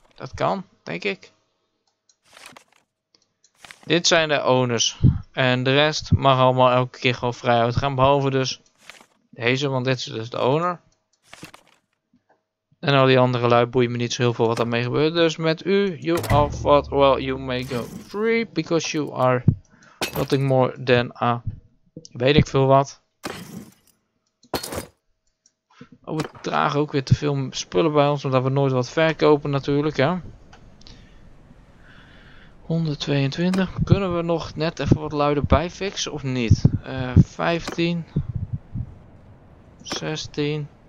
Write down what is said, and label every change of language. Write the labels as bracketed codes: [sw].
[nl] Dat kan, denk ik. Dit zijn de owners. En de rest mag allemaal elke keer gewoon vrij uitgaan, behalve dus deze, want dit is dus de owner. En al die andere lui boeien me niet zo heel veel wat daarmee gebeurt. Dus met u, [en] you are what? Well, you may go free because you are nothing more than a. [nl] Weet ik veel wat. Oh, we dragen ook weer te veel spullen bij ons, omdat we nooit wat verkopen, natuurlijk. Hè? 122. Kunnen we nog net even wat luider bijfixen of niet? 15. 16.